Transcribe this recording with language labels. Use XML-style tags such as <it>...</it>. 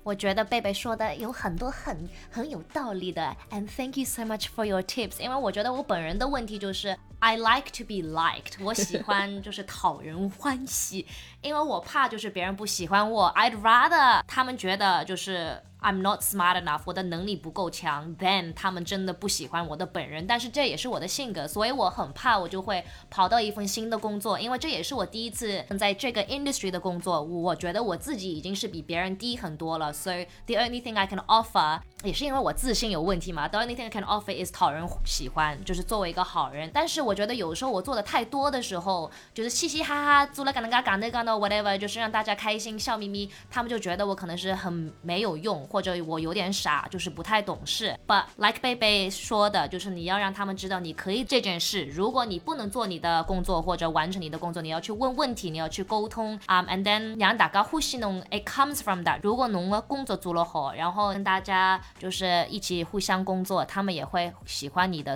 <zh>我觉得贝贝说的有很多很有道理的，</zh> <en>and thank you so much for your tips，</en> <zh>因为我觉得我本人的问题就是</zh> <en>I like to be liked，</en> <zh>我喜欢就是讨人欢喜因为我怕就是别人不喜欢我，</zh> <en>I'd rather</en> <zh>他们觉得就是</zh> <en>I'm not smart enough，</en> <zh>我的能力不够强 then 他们真的不喜欢我的本人。但是这也是我的性格，所以我很怕我就会跑到一份新的工作，因为这也是我第一次在这个 industry 的工作，我觉得我自己已经是比别人低很多了。</zh> <en>So the only thing I can offer，</en> <zh>也是因为我自信有问题嘛，</zh> <en>the only thing I can offer is</en> <zh>讨人喜欢，就是作为一个好人。但是我觉得有时候我做的太多的时候，就是嘻嘻哈哈做了干那干那干那 whatever， 就是让大家开心笑眯眯，他们就觉得我可能是很没有用，或者我有点傻，就是不太懂事。</zh> <en>But like</en> <zh>贝贝说的，就是你要让他们知道你可以这件事，如果你不能做你的工作或者完成你的工作，你要去问问题，你要去沟通、and then 让大家呼吸弄</zh> <en>it comes from that，</en> <zh>如果侬的工作做了好，然后跟大家就是一起互相工作，他们也会喜欢你的。</zh>